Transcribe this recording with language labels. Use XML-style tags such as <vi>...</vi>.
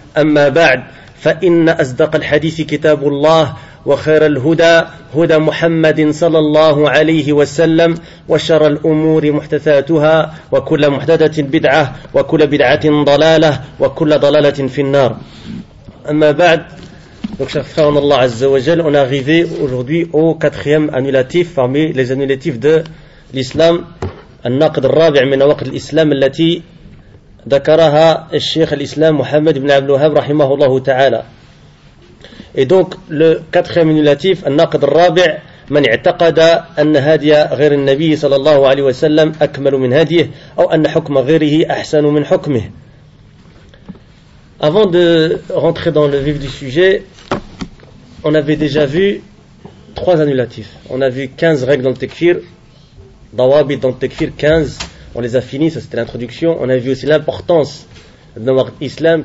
<ar>أما بعد، فإن أصدق الحديث كتاب الله، وخير الهدى هدى محمد صلى الله عليه وسلم، وشر الأمور محدثاتها، وكل محدثة بدعة، وكل بدعة ضلالة، وكل ضلالة في النار. أما بعد،</ar> <fr>donc chers frères en Allah Azza wa Jal, on est arrivé aujourd'hui au quatrième annulatif parmi les annulatifs de l'islam,</fr> <ar>al-naqd al-rabi' min awaqd al-islam allati ذكرها الشيخ الإسلام محمد بن عبد الوهاب رحمه الله تعالى.</ar> <fr>Et donc le quatrième annulatif,</fr> <ar>النقد الرابع, من اعتقد أن هادي غير النبي صلى الله عليه وسلم أكمل من هاديه أو أن حكم غيره أحسن من حكمه.</ar> <fr>Avant de rentrer dans le vif du sujet, on avait déjà vu trois annulatifs. On a vu 15 règles dans le tekfir, ضوابط dans le tekfir 15. On les a finis, ça c'était l'introduction. On a vu aussi l'importance de l'islam, islam.</fr>